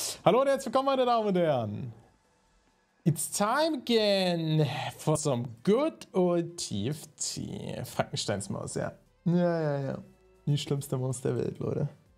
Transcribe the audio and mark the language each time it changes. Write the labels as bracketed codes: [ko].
[de] Hallo und herzlich willkommen, meine Damen und Herren. [en] It's time again for some good old TFT. [de] Frankensteins Maus, ja. Ja. Die schlimmste Maus der Welt, Leute.